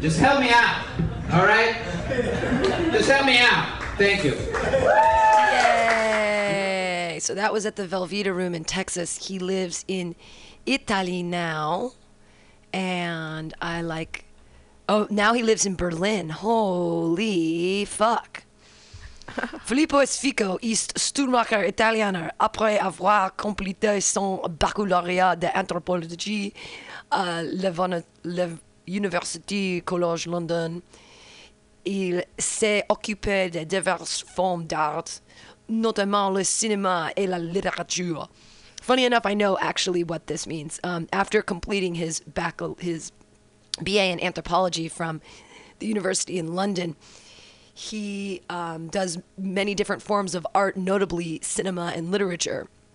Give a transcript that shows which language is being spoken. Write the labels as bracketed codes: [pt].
[en] Just help me out, all right? Just help me out. Thank you. Yay! So that was at the Velveeta Room in Texas. He lives in Italy now. And I like, now he lives in Berlin. Holy fuck. [fr] Filippo Esfico est Stuhlmacher Italiener après avoir complété son baccalauréat d'anthropologie à l'Université College London. Il s'est occupé de diverses formes d'art, notamment le cinéma et la littérature. [en] Funny enough, I know actually what this means. After completing his BA in anthropology from the University in London, he does many different forms of art, notably cinema and literature.